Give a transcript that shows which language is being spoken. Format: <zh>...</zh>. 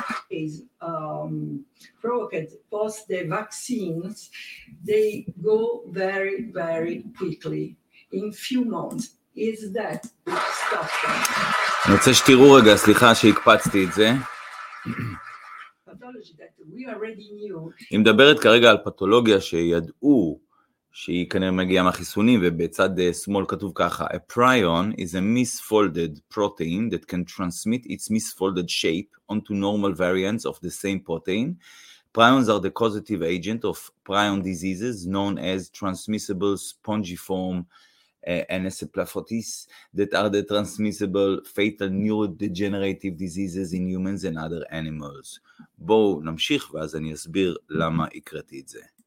<en>Is provoked post the vaccines, they go very, very quickly. In few months, is that stop them?</en> <he>אני רוצה שתראו רגע, סליחה שהקפצתי את זה.</he> <en>Pathology that we already knew.</en> <he>היא מדברת כרגע על פתולוגיה שידעו שהיא כנראה מגיעה מהחיסונים, ובצד שמאל כתוב ככה,</he> <en>A prion is a misfolded protein that can transmit its misfolded shape onto normal variants of the same protein. Prions are the causative agent of prion diseases known as transmissible spongiform encephalitis that are the transmissible fatal neurodegenerative diseases in humans and other animals.</en> <he>בואו נמשיך ואז אני אסביר למה הקראתי את זה.</he>